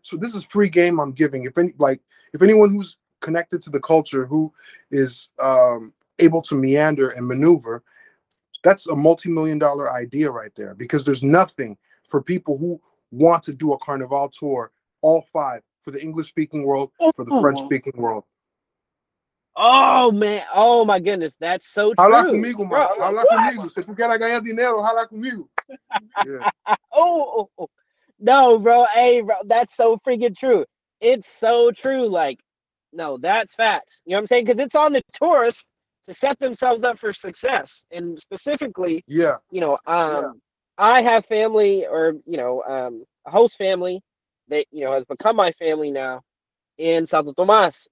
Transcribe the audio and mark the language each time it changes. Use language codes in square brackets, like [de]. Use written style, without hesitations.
[en] So this is free game I'm giving. If anyone who's connected to the culture, who is able to meander and maneuver, that's a multi-million dollar idea right there, because there's nothing for people who want to do a Carnival tour, all 5, for the English-speaking world, for the French-speaking world. Oh man, oh my goodness, that's so true. [es] Hala conmigo, bro. Hala conmigo. Se tu quieres ganar dinero, hala conmigo. [en] Oh, no, bro. Hey, bro, that's so freaking true. It's so true. Like, no, that's facts. You know what I'm saying? Because it's on the tourist to set themselves up for success. And specifically, yeah, you know, I have family, or, you know, a host family that, you know, has become my family now in Santo Tomas.